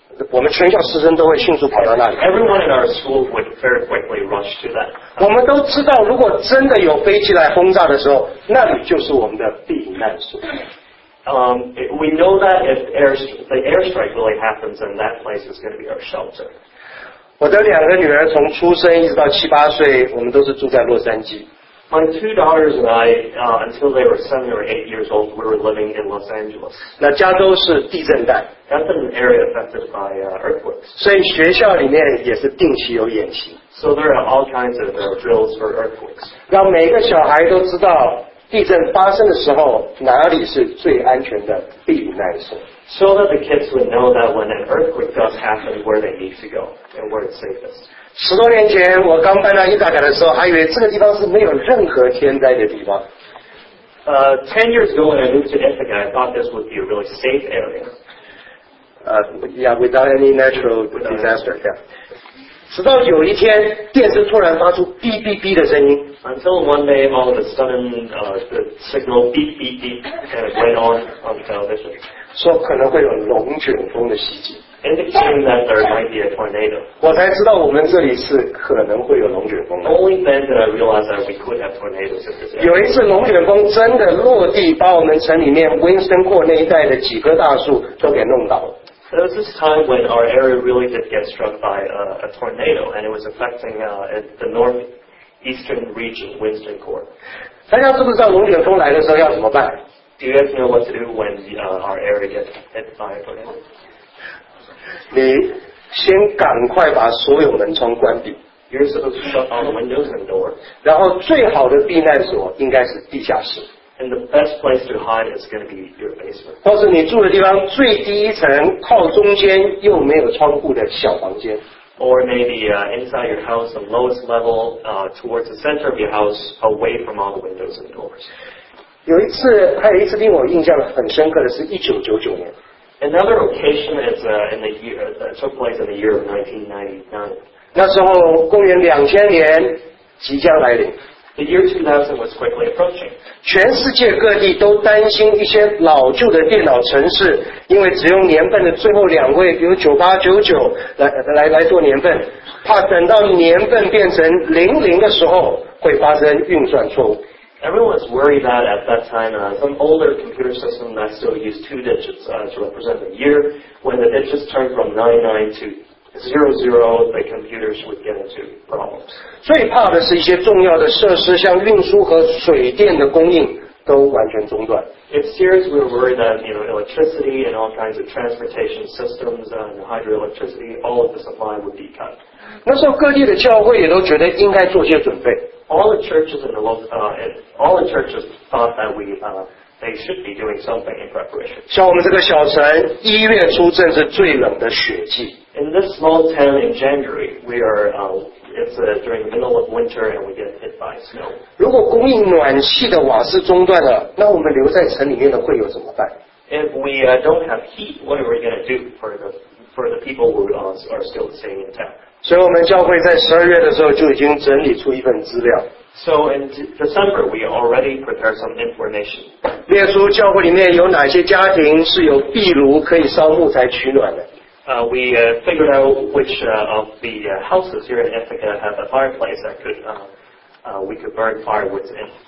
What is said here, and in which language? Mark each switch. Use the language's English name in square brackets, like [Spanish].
[Chinese] 我们全校师生都会迅速跑到那里。 [English] Everyone in our school would very quickly rush to that. [Chinese] 我们都知道，如果真的有飞机来轰炸的时候，那里就是我们的避难所。 [English] We know that if the airstrike really happens, then that place is going to be our shelter. [Chinese] 我的两个女儿从出生一直到七八岁，我们都是住在洛杉矶。 [English] My two daughters and I, until they were 7 or 8 years old, we were living in Los Angeles. [Chinese] 那加州是地震带。 [English] That's an area affected by earthquakes. [Chinese] 所以学校里面也是定期有演习。 [English] So there are all kinds of drills for earthquakes. [Chinese] 让每个小孩都知道地震发生的时候哪里是最安全的避难所。 [English] So that the kids would know that when an earthquake does happen, where they need to go and where it's safest. [Chinese] 十多年前我刚搬到伊达卡的时候，还以为这个地方是没有任何天灾的地方。 [English] 10 years ago when I moved to Ithaca, I thought this would be a really safe area. Without any natural disaster. Yeah. [Chinese] 直到有一天电视突然发出哔哔哔的声音。 [English] Until one day all of a sudden the signal beep beep beep went on television. [Chinese] 说可能会有龙卷风的袭击。 [English] Indicating that there might be a tornado. [Chinese] 我才知道我们这里是可能会有龙卷风的。 [English] Only then did I realize that we could have tornadoes in this area. [Chinese] 有一次龙卷风真的落地，把我们城里面Winston Court那一带的几棵大树都给弄倒了。 [English] There was this time when our area really did get struck by a tornado, and it was affecting the northeastern region, Winston Court. [Chinese] 大家知不知道龙卷风来的时候要怎么办？ [English] Do you guys know what to do when our area gets hit by a tornado? [Chinese] 你先赶快把所有门窗关闭。 [English] You're supposed to shut all the windows and doors. [Chinese] 然后最好的避难所应该是地下室。 [English] And the best place to hide is going to be your basement. [Chinese] 或是你住的地方最低一层靠中间又没有窗户的小房间。 [English] Or maybe inside your house, the lowest level, towards the center of your house, away from all the windows and doors. [Chinese] 有一次，还有一次令我印象很深刻的是1999年。 [English] Another occasion is in the year that took place in the year of 1999. [Chinese] 那时候公元2000年即将来临。 [English] The year 2000 was quickly approaching. [Chinese] 全世界各地都担心一些老旧的电脑程式，因为只用年份的最后两位，比如9899来做年份，怕等到年份变成00的时候会发生运算错误。 [English] Everyone was worried that at that time, some older computer system that still used two digits to represent the year, when the digits turned from 99 to 00, the computers would get into problems. [Chinese] 最怕的是一些重要的设施，像运输和水电的供应都完全中断。 [English] It's serious. We were worried that you know electricity and all kinds of transportation systems and hydroelectricity, all of the supply would be cut. [Chinese] 那时候各地的教会也都觉得应该做些准备。 [English] All the churches in the all the churches thought that we they should be doing something in preparation. [Chinese] 像我们这个小城，一月初正是最冷的雪季。 [English] In this small town in January, we are during the middle of winter and we get hit by snow. [Chinese] 如果供应暖气的瓦斯中断了，那我们留在城里面的会有怎么办 [English] ？If we don't have heat, what are we going to do for the people who are still staying in town? [Chinese] 所以我们教会在12月的时候就已经整理出一份资料。 [English] So in December, we already prepared some information. [Chinese] 列出教会里面有哪些家庭是有壁炉可以烧木材取暖的。 [English] We figured out which of the houses here in Ithaca have a fireplace that could, we could burn firewoods in.